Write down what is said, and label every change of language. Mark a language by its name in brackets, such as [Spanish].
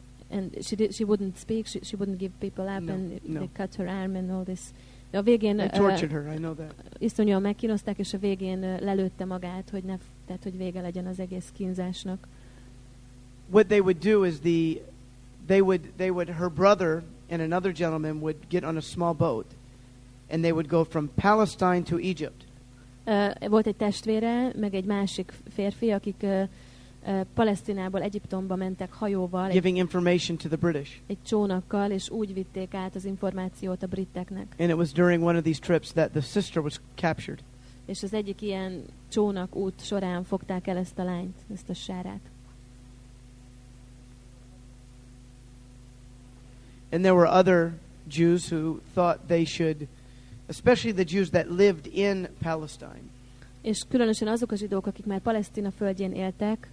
[English] And she wouldn't speak, she wouldn't give people up, no, and no. They cut her arm and all this. [Hungarian] A végén [English] tortured her, I know that. [Hungarian] Iszonyúan megkínozták, és a végén lelőtte magát, hogy ne tehát hogy vége legyen az egész kínzásnak. [English] What they would do is they would her brother and another gentleman would get on a small boat and they would go from Palestine to Egypt. [Hungarian] Volt egy testvére, meg egy másik férfi, akik Palesztinából Egyiptomba mentek hajóval. [English] Giving information to the British. [Hungarian] Egy csónakkal, és úgy vitték át az információt a briteknek. [English] And it was during one of these trips that the sister was captured. [Hungarian] És az egyik ilyen csónak út során fogták el ezt a lányt, ezt a Sárát. [English] And there were other Jews who thought they should, especially the Jews that lived in Palestine. [Hungarian] És különösen azok a zsidók, akik már Palesztina földjén éltek,